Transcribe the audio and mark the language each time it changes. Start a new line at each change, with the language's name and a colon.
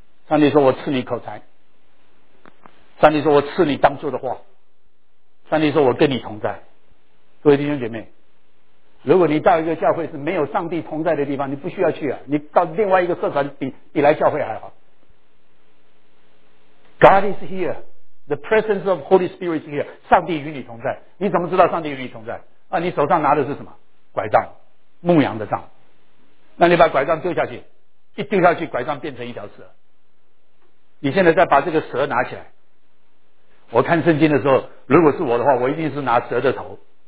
Chinese: 上帝说我赐你口才，上帝说我赐你当作的话，上帝说我跟你同在。各位弟兄姐妹，如果你到一个教会是没有上帝同在的地方，你不需要去啊，你到另外一个社团比来教会还好。
English: God is here, the presence of Holy Spirit is here, 上帝与你同在。
Chinese: 你怎么知道上帝与你同在啊？你手上拿的是什么？拐杖，牧羊的杖。那你把拐杖丢下去，一丢下去拐杖变成一条蛇，你现在再把这个蛇拿起来。我看圣经的时候，如果是我的话，我一定是拿蛇的头。